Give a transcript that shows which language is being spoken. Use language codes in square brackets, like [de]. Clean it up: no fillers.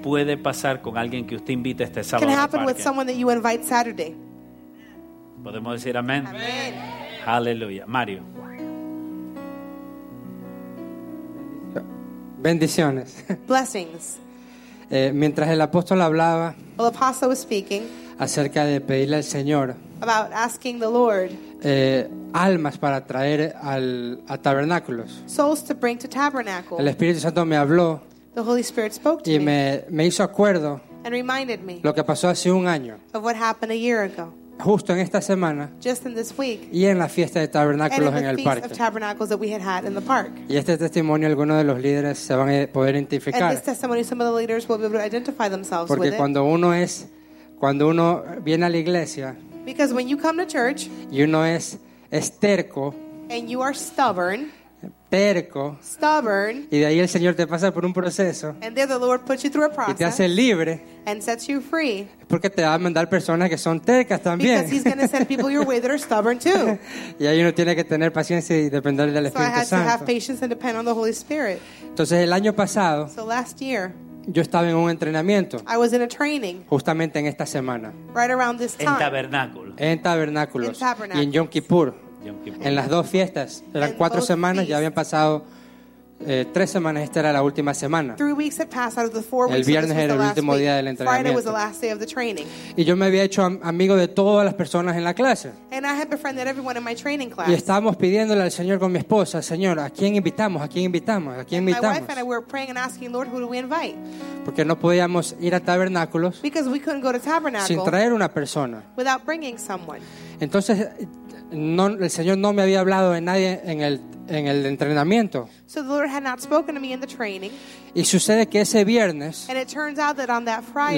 [es] puede pasar con alguien que usted invite este sábado. [en] Can happen with someone that you invite Saturday. [es] Podemos decir amén. Amén. Aleluya. Mario. Bendiciones. [en] Blessings. [es] Mientras el apóstol hablaba, [en] well, the apostle was speaking, [es] acerca de pedirle al Señor, [en] about asking the Lord, [es] almas para traer al a tabernáculos. [en] Souls to bring to tabernacle. [es] El Espíritu Santo me habló. [en] The Holy Spirit spoke to [es] me. Y me hizo acuerdo. [en] And reminded me. [es] Lo que pasó hace un año. [en] Of what happened a year ago. [es] Justo en esta semana. [en] Just in this week. [es] Y en la fiesta de tabernáculos en el parque. [en] And the feast of tabernacles that we had had in the park. [es] Y este testimonio algunos de los líderes se van a poder identificar. [en] And this testimony some of the leaders will be able to identify themselves [es] porque [en] with [es] cuando [en] it. [es] Uno es cuando uno viene a la iglesia. [en] Because when you come to church, you know [es] es terco, [en] and you are stubborn, [es] terco, [en] stubborn, [es] y de ahí el Señor te pasa por un proceso, [en] and there the Lord puts you through a process, [es] y te hace libre, [en] and sets you free, [es] porque te va a mandar personas que son tercas también. [en] Because he's going to send people your way that are stubborn too. [es] Y ahí uno tiene que tener paciencia y depender del Espíritu Santo. [en] So I had to have patience and depend on the Holy Spirit. [es] Entonces el año pasado, [en] so last year, [es] yo estaba en un entrenamiento. [en] I was in a training. [es] Justamente en esta semana. [en] Right around this time. [es] En tabernáculos. En tabernáculos. [en] In tabernacles. [es] Y en Yom Kippur. Yom Kippur. En las dos fiestas. Eran cuatro semanas. Ya habían pasado tres semanas. Esta era la última semana. [en] Three weeks had passed out of the 4 weeks. [es] El viernes era el último día del entrenamiento. [en] Friday was the last day of the training. [es] Y yo me había hecho amigo de todas las personas en la clase. [en] And I had befriended everyone in my training class. [es] Y estábamos pidiéndole al Señor con mi esposa, Señor, ¿a quién invitamos? ¿A quién invitamos? ¿A quién invitamos? [en] My wife and I were praying and asking, Lord, who do we invite? [es] Porque no podíamos ir a tabernáculos. [en] Because we couldn't go to tabernacle. [es] Sin traer una persona. [en] Without bringing someone. [es] Entonces, no, el Señor no me había hablado de nadie en el entrenamiento. [en] So the Lord had not spoken to me in the training. [es] Y sucede que ese viernes, [en] and it turns out that on that Friday,